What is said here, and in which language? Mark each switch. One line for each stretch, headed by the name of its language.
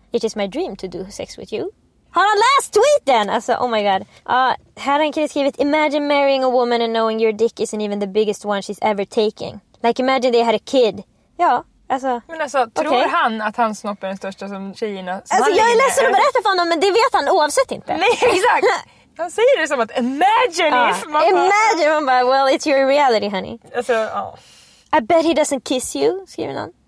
English: It is my dream to do sex with you.
Swedish: Har han läst tweeten? Alltså,
English: oh my god.
Swedish: Här har en kille skrivit,
English: imagine marrying a woman and knowing your dick isn't even the biggest one she's ever taking. Like, imagine they had a kid.
Swedish: Ja, alltså. Men alltså, tror han att hans snopp är den största som tjejerna? Alltså, jag är ledsen att berätta för honom, men det vet han oavsett inte. Nej, exakt. Han säger det som att,
English: imagine if man imagine,
Swedish: man bara,
English: well, it's your reality, honey.
Swedish: Alltså,
English: I bet he doesn't kiss you,
Swedish: skriver han.